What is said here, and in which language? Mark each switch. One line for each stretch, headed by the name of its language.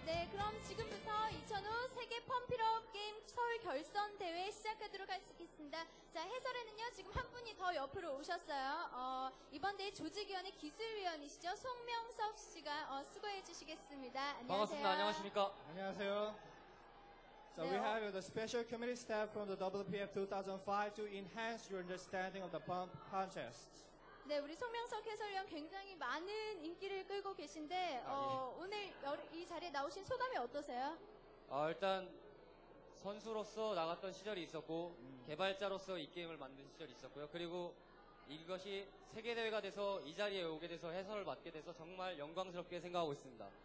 Korean: 그럼 지금부터 2005 세계 펌필업 게임 서울 결선 대회 시작하도록 하겠습니다. 자, 해설에는요, 지금 한 분이 더 옆으로 오셨어요. 이번 대회 조직위원회 기술위원이시죠. 송명섭 씨가 수고해 주시겠습니다. 안녕하세요. 반갑습니다. 안녕하십니까? 안녕하세요. So 네.
English: we have the special committee staff from the WPF 2005 to enhance your understanding of the pump contest.
Korean: 네, 우리 송명석 해설위원 굉장히 많은 인기를 끌고 계신데 오늘 이 자리에 나오신 소감이 어떠세요? 일단 선수로서 나갔던 시절이 있었고 개발자로서 이 게임을 만든 시절이 있었고요. 그리고 이것이 세계대회가 돼서 이 자리에 오게 돼서 해설을 맡게 돼서 정말 영광스럽게 생각하고 있습니다.